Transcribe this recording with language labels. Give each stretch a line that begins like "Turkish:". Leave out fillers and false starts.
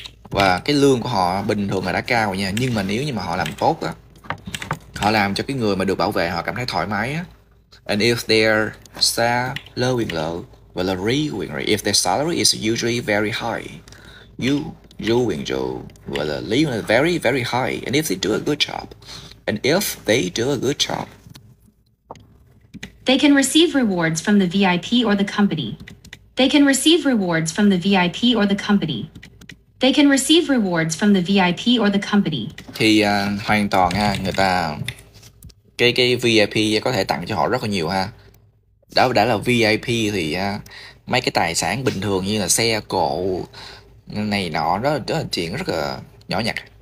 Vietnamese: Và cái lương của họ bình thường là đã cao nha, nhưng mà nếu như mà họ làm tốt á, họ làm cho cái người mà được bảo vệ họ cảm thấy thoải mái á.
English: And if their salary is low, well, really, if their salary is usually very high, and if they do a good job. They can receive rewards from the VIP or the company.
Vietnamese: Thì hoàn toàn ha, người ta cái VIP có thể tặng cho họ rất là nhiều ha. Đã là VIP thì mấy cái tài sản bình thường như là xe cộ này nọ đó là chuyện rất là nhỏ nhặt.